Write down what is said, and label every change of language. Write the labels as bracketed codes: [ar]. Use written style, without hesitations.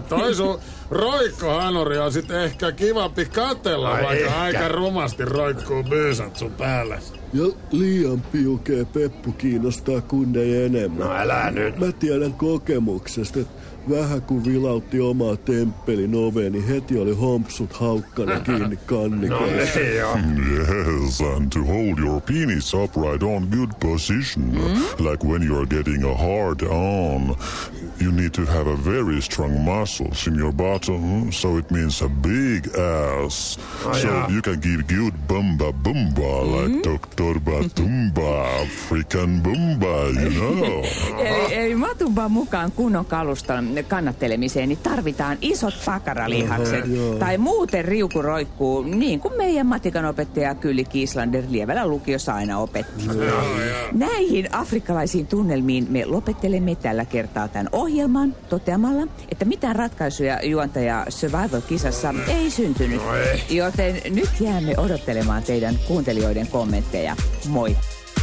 [fi] Toi sun roikkohanuri on sit ehkä kivampi katella, aika rumasti roikkuu myysät sun päällä. Ja liian piukee peppu kiinnostaa kunnei enemmän. No älä nyt. Mä tiedän kokemuksesta, että vähän kun vilautti omaa temppelin oveen, niin heti oli hompsut haukkana kiinni kannikolle. No ei joo. [en] Yes, and to hold your penis upright on good position, like when you are getting a hard on, you need to have a very strong muscles in your bottom, so it means a big ass. So you can give good bumba bumba, like Dr. Batumba, African bumba, you know. [fi] Eli Matumba mukaan kunnon kalustan kannattelemiseen, niin tarvitaan isot pakaralihakset. Tai muuten riuku roikkuu, niin kuin meidän matikan opettaja Kylli Kiislander Lievälä lukiossa aina opetti. Näihin afrikkalaisiin tunnelmiin me lopettelemme tällä kertaa tämän ohjelman toteamalla, että mitään ratkaisuja juontaja Survival-kisassa ei syntynyt. Joten nyt jäämme odottelemaan teidän kuuntelijoiden kommentteja. Moi!